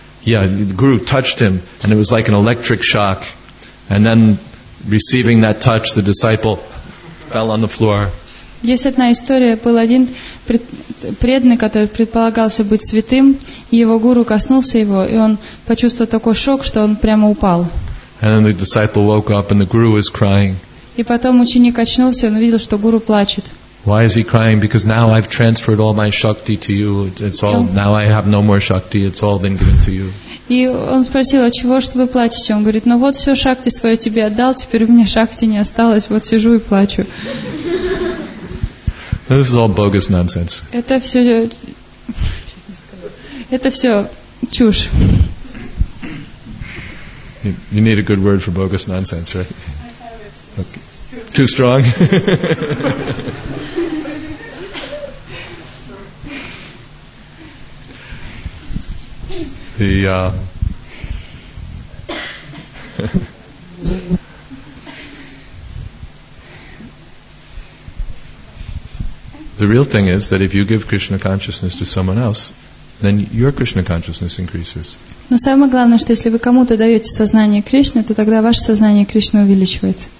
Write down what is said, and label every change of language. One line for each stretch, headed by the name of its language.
English: Yeah, the guru touched him, and it was like an electric shock. And then, receiving that touch, the disciple fell on the floor.
Russian: Есть одна история. Был один преданный, который предполагался быть святым, и его гуру коснулся его, и он почувствовал такой шок, что он прямо упал.
English: And then the disciple woke up, and the guru was crying.
Russian: И потом ученик очнулся, и он увидел, что гуру плачет.
English: Why is he crying? Because now I've transferred all my shakti to you. It's all now I have no more shakti. It's all been given to you.
Russian: И он спросил, а чего ж вы плачете? Он говорит, ну вот все шакти свое тебе отдал, теперь у меня шакти не осталось. Вот сижу и плачу.
English: This is all bogus nonsense.
Russian: Это все чушь.
English: You need a good word for bogus nonsense, right? I have it. Okay. Too strong. The real thing is that if you give Krishna consciousness to someone else, then your Krishna consciousness increases.
Russian: Но самое главное, что если вы кому-то даете сознание Кришны, то тогда ваше сознание Кришны увеличивается.